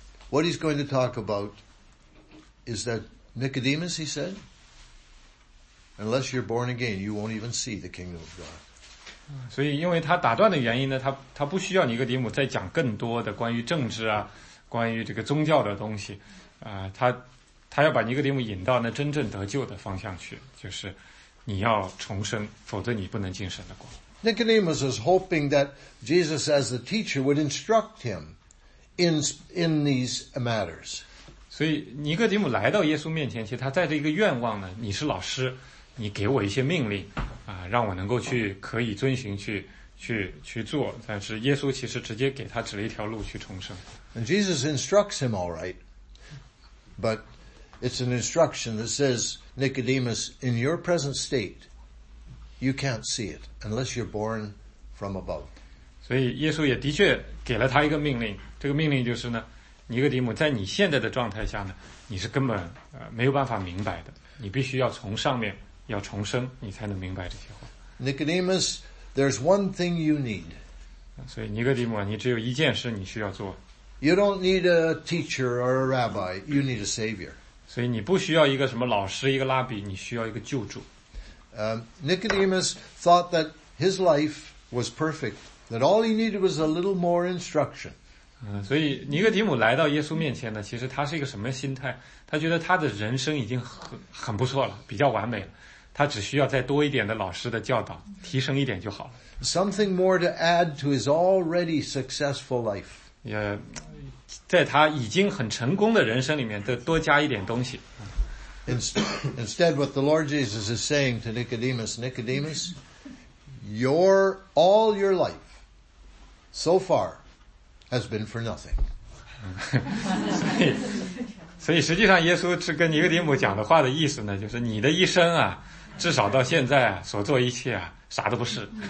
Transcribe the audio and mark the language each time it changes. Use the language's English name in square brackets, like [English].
[English] What he's going to talk about is that Nicodemus, he said, unless you're born again, you won't even see the kingdom of God. [Chinese] 所以因为他打断的原因呢他不需要尼哥底母再讲更多的关于政治啊关于这个宗教的东西他要把尼哥底母引到那真正得救的方向去就是你要重生否则你不能进神的国。 [English] Nicodemus was hoping that Jesus as the teacher would instruct him in these matters. [Chinese] 所以尼哥底母来到耶稣面前其实他带着一个愿望呢你是老师你给我一些命令让我能够去可以遵循去做但是耶稣其实直接给他指了一条路去重生。 [English] And Jesus instructs him all right, but It's an instruction that says, Nicodemus, in your present state, you can't see it unless you're born from above. [Chinese] 所以耶稣也的确给了他一个命令。这个命令就是呢，尼哥底母，在你现在的状态下呢，你是根本没有办法明白的。你必须要从上面要重生，你才能明白这些话。 [English] Nicodemus, there's one thing you need. [Chinese] 所以尼哥底母，你只有一件事你需要做。 [English] You don't need a teacher or a rabbi. You need a savior. [Chinese] 所以你不需要一个什么老师一个拉比你需要一个救助。 [English] Nicodemus thought that his life was perfect, that all he needed was a little more instruction. [Chinese] 所以尼哥底母来到耶稣面前呢其实他是一个什么心态他觉得他的人生已经很不错了比较完美了他只需要再多一点的老师的教导提升一点就好了。 [English] Something more to add to his already successful life. [Chinese] 也在他已经很成功的人生里面多加一点东西。 [English] Instead, what the Lord Jesus is saying to Nicodemus, Nicodemus, your, all your life so far has been for nothing. [Chinese] 所以实际上耶稣是跟尼哥底母讲的话的意思呢，就是你的一生啊，至少到现在啊，所做一切啊，啥都不是。